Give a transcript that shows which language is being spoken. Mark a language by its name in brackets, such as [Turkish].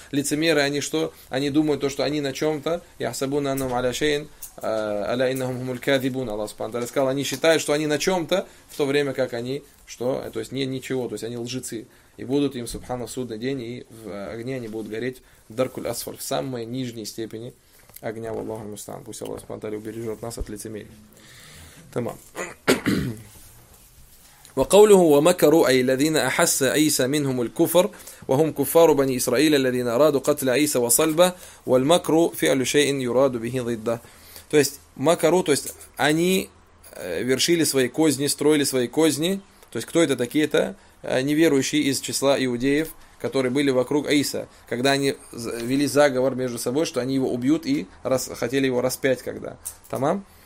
[Russian] Лицемеры, они что? Они думают то, что они на чем-то, [Arabic] «Яхсабуна аннам аля шейн, аля иннахум хумуль кадибун», [Russian] Аллах Субхана Тааля сказал, они считают, что они на чем-то, в то время как они, что, то есть не ничего, то есть они лжецы, и будут им, Субхана, в судный день, и в огне они будут гореть, [Arabic] даркуль асфар, [Russian] в самой нижней степени огня, в Аллаху мустан, пусть Аллах Субхана Тааля убережет нас от лицемерия. Тамам. [Arabic] وقوله ومكروا أي الذين أحس عيسى منهم الكفر وهم كفار بني إسرائيل الذين أرادوا قتل عيسى وصلبه والمكر فعل شيء يراد به ضده. [Russian] То есть макару, то есть они вершили свои козни, строили свои козни. То есть кто это такие? Это неверующие из числа иудеев, которые были вокруг Иса, когда они вели заговор между собой, что они его убьют и хотели его распять когда. Тамам.